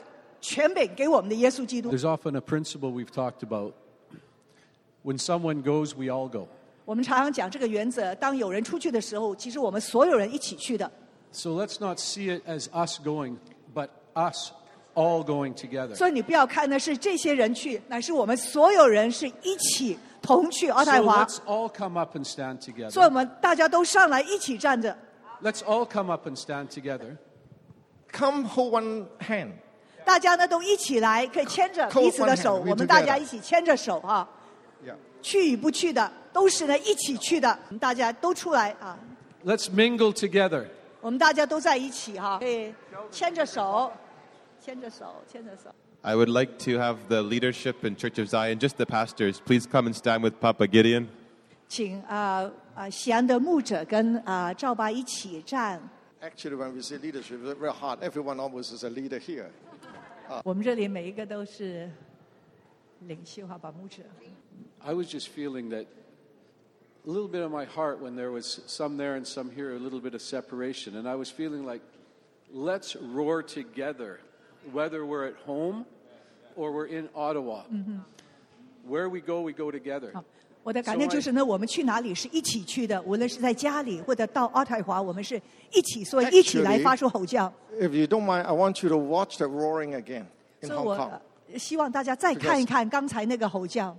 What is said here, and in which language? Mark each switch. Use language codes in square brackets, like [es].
[zh] 神，我们的天父要把这个权柄给我们的耶稣基督。 [en] There's often a principle we've talked about. When someone goes, we all go. [zh] 我们常常讲这个原则，当有人出去的时候，其实我们所有人一起去的。 [en] So let's not see it as us going, but us all going together. [zh] 所以你不要看的是这些人去，乃是我们所有人是一起同去渥太华。 [en] So let's all come up and stand together. [zh] 所以我们大家都上来一起站着。 [en] Let's all come up and stand together. come hold one hand. [zh] 大家呢都一起来，可以牵着彼此的手。 [en] Hand, [zh] 我们大家一起牵着手啊。 [en] Yeah. [zh] 去与不去的，都是呢一起去的。大家都出来啊。 [en] Let's mingle together. [zh] 我们大家都在一起哈、啊，可以牵着手，牵着手，牵着手。 [en] I would like to have the leadership in Church of Zion, just the pastors, please come and stand with Papa Gideon. [zh] 请西安的牧者跟赵爸一起站。 [en] Actually, when we say leadership, it's real hard. Everyone almost is a leader here. [zh] 我们这里每一个都是领袖哈，把牧者。 [en] I was just feeling that a little bit of my heart when there was some there and some here, a little bit of separation, and I was feeling like, let's roar together. Whether we're at home or we're in Ottawa,、 mm-hmm. where we go together. [zh] 我的感觉就是呢，我们去哪里是一起去的，无论是在家里或者到渥太华，我们是一起，所以一起来发出吼叫。 [en] If you don't mind, I want you to watch the roaring again in Hong Kong. [zh] 所以我希望大家再看一看刚才那个吼叫。